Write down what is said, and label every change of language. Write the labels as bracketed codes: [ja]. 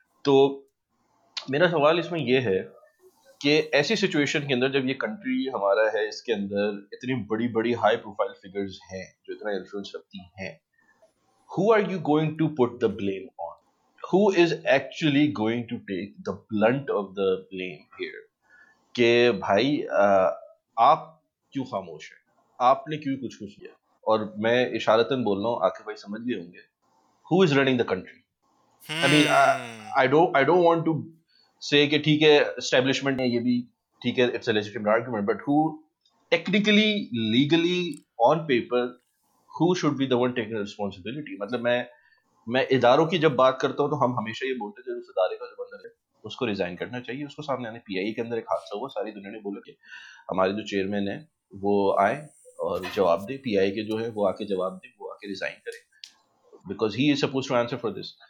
[ur] تو میرا سوال اس میں یہ ہے کہ ایسی سچویشن کے اندر جب یہ کنٹری ہمارا ہے اس کے اندر اتنی بڑی بڑی ہائی پروفائل فگرز ہیں جو اتنا انفلوئنس رکھتی ہیں, [en] who are you going to put the blame on, who is actually going to take the blunt of the blame here, [ur] کہ بھائی آپ کیوں خاموش ہیں, آپ نے کیوں کچھ کچھ کیا, اور میں اشارتاً بول رہا ہوں آخر بھائی سمجھ گئے ہوں گے, [en] who is running the country? I don't want to say [ur] کہ ٹھیک ہے establishment ہے یہ بھی ٹھیک ہے, [en] it's a legitimate argument, but who technically, legally, on paper, who should be the one taking responsibility? [ur] مطلب میں اداروں کی جب بات کرتا ہوں تو ہم ہمیشہ یہ بولتے ہیں اس ادارے کا جو بندر ہے اس کو ریزائن کرنا چاہیے, اس کو سامنے آنے, پی آئی اے کے اندر ایک حادثہ ہوا, ساری دنیا نے بولا کہ ہمارے جو چیئرمین ہیں وہ آئیں اور جواب دیں, پی آئی اے کے جو ہے وہ آ کے جواب دیں, وہ آ کے ریزائن کریں, [en] because he is supposed to answer for this.